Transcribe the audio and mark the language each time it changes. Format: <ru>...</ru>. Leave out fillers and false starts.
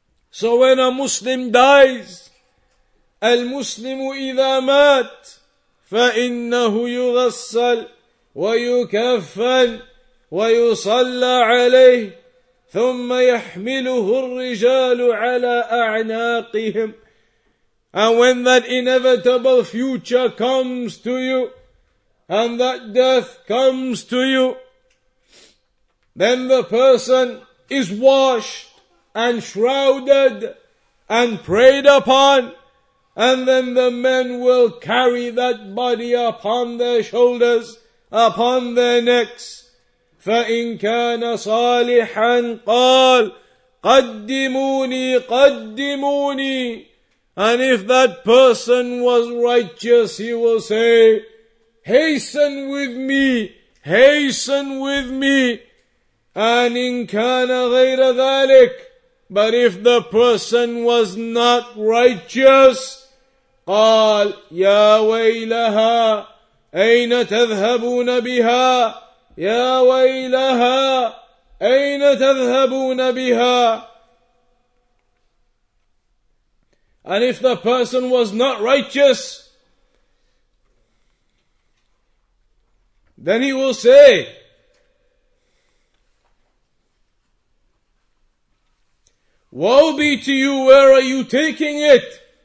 <en>So when a Muslim dies,</en> <ar>المسلم إذا مات فإنه يغسل ويكفن ويصلى عليه ثم يحمله الرجال على أعناقهم.</ar> <en>And when that inevitable future comes to you, and that death comes to you, then the person is washed and shrouded and prayed upon, and then the men will carry that body upon their shoulders, upon their necks.</en> <ar>فَإِنْ كَانَ صَالِحًا قَالْ قَدِّمُونِي قَدِّمُونِي.</ar> <en>And if that person was righteous, he will say, hasten with me, hasten with me.</en> <ar>And إِنْ كَانَ غَيْرَ ذَلِكَ.</ar> <en>But if the person was not righteous,</en> <ar>قال يا ويلها أين تذهبون بها يا ويلها أين تذهبون بها.</ar> <en>And if the person was not righteous, then he will say, woe be to you, where are you taking it?</en>